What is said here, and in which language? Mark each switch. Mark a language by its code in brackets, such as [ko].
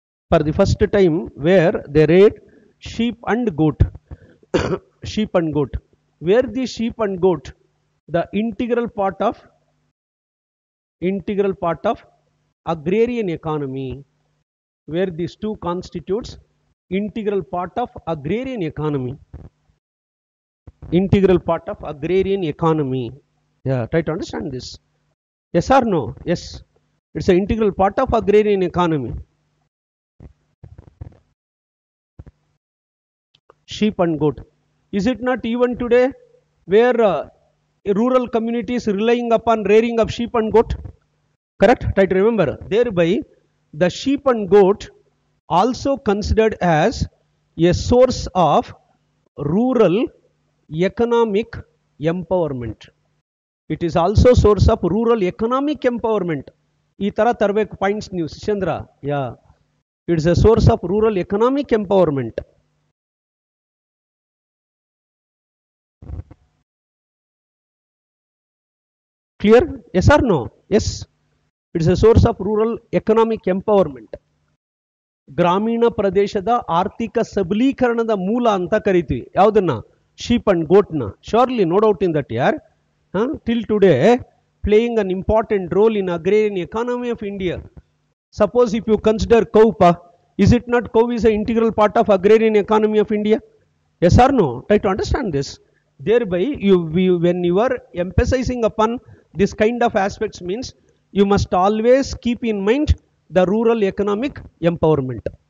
[en] For the first time where they reared sheep and goat, sheep and goat. Where the sheep and goat, the integral part of, integral part of agrarian economy, where these two constitutes integral part of agrarian economy. Integral part of agrarian economy. Yeah, try to understand this. Yes or no? Yes. It's an integral part of agrarian economy. Sheep and goat. Is it not even today where rural communities relying upon rearing of sheep and goat? Correct? Try to remember. Thereby, the sheep and goat also considered as a source of rural economic empowerment. It is also source of rural economic empowerment. [kn] ಈ ತರ ತರಬೇಕು points ನೀವು ಶಿಶೇಂದ್ರ. [en] Yeah, it's a source of rural economic empowerment. Clear? Yes or no? Yes. It's a source of rural economic empowerment. [kn] ಗ್ರಾಮೀಣ ಪ್ರದೇಶದ ಆರ್ಥಿಕ ಸಬಲೀಕರಣದ ಮೂಲ ಅಂತ ಕರಿತೀವಿ ಯಾವುದನ್ನ? [en] Sheep and ಗೋಟ್ನ. Surely, no doubt in that. ಯಾರ್ till today playing an important role in agrarian economy of India. Suppose if you consider cow, is it not cow is an integral part of agrarian economy of India? Yes or no? Try to understand this. Thereby, when you are emphasizing upon this kind of aspects means, you must always keep in mind the rural economic empowerment.